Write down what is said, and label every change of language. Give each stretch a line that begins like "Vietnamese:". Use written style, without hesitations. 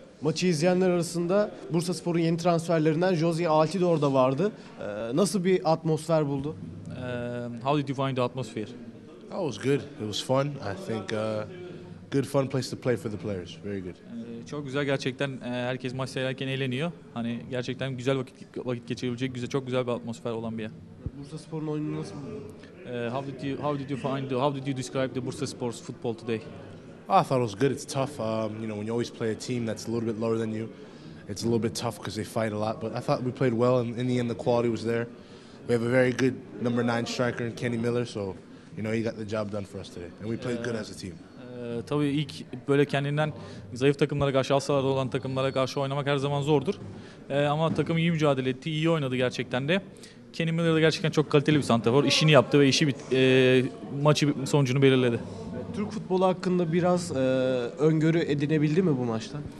Turkish: Maçı izleyenler arasında Bursaspor'un yeni transferlerinden Jozy Altidor da vardı. Nasıl bir atmosfer buldu?
English: How did you find the atmosphere? That was good. It was fun. I think good fun place to play for the players. Very good.
Turkish: Çok güzel gerçekten. Herkes maç seyrederken eğleniyor. Hani gerçekten güzel vakit geçirebilecek güzel çok güzel bir atmosfer olan bir yer. Bursaspor'un oyunu nasıl buldu?
English: How did you describe the Bursaspor's football today? I thought it was good. It's tough. You know, when you always play a team that's a little bit lower than you, it's a little bit tough because they fight a lot. But I thought we played well, and in the end, the quality was there. We have a very good number 9 striker in Kenny Miller, so you know he got the job done for us today, and we played good as a team.
Turkish: Tabii ilk böyle kendinden zayıf takımlara karşı, alçalarda olan takımlara karşı oynamak her zaman zordur. Ama takım iyi mücadele etti, iyi oynadı gerçekten de. Kenny Miller de gerçekten çok kaliteli bir santrafor. İşini yaptı ve işi maçı sonucunu belirledi. Türk futbolu hakkında biraz öngörü edinebildi mi bu maçta?